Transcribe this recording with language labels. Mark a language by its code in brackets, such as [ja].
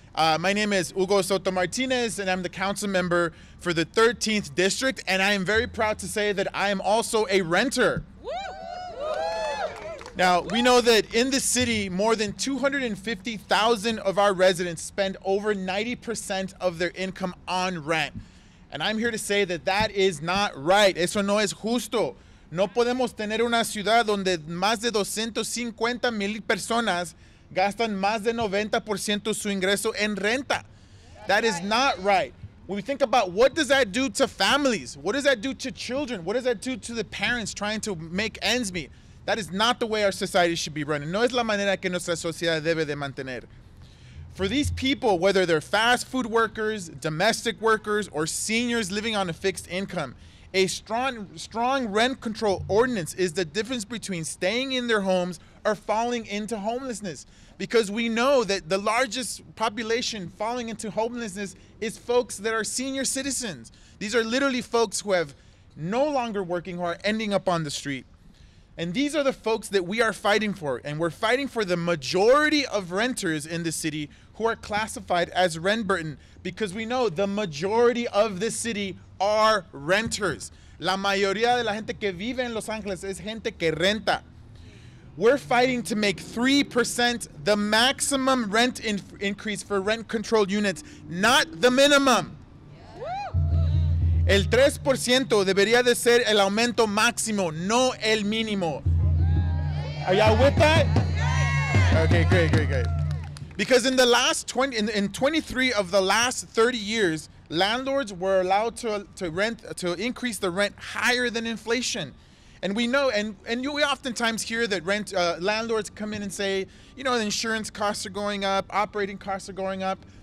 [en] My name is Hugo Soto-Martinez, and I'm the council member for the 13th district, and I am very proud to say that I am also a renter. Woo! Now, we know that in this city, more than 250,000 of our residents spend over 90% of their income on rent. And I'm here to say that that is not right. [es] Eso no es justo. No podemos tener una ciudad donde más de 250 mil personas gastan más de 90% su ingreso en renta. [en] That is not right. When we think about what does that do to families? What does that do to children? What does that do to the parents trying to make ends meet? That is not the way our society should be running. [es] No es la manera que nuestra sociedad debe de mantener. [en] For these people, whether they're fast food workers, domestic workers, or seniors living on a fixed income, a strong rent control ordinance is the difference between staying in their homes or falling into homelessness. Because we know that the largest population falling into homelessness is folks that are senior citizens. These are literally folks who have no longer working, who are ending up on the street. And these are the folks that we are fighting for. And we're fighting for the majority of renters in the city who are classified as rent-burden, because we know the majority of the city are renters. [es] La mayoría de la gente que vive en Los Angeles es gente que renta. [en] We're fighting to make 3% the maximum rent increase for rent control units, not the minimum. [es] El 3% debería de ser el aumento máximo, no el mínimo. [en] Are y'all with that? Okay, great, great, great. Because in the last 23 of the last 30 years, landlords were allowed to increase the rent higher than inflation. And we know, we oftentimes hear that rent landlords come in and say, you know, the insurance costs are going up, operating costs are going up.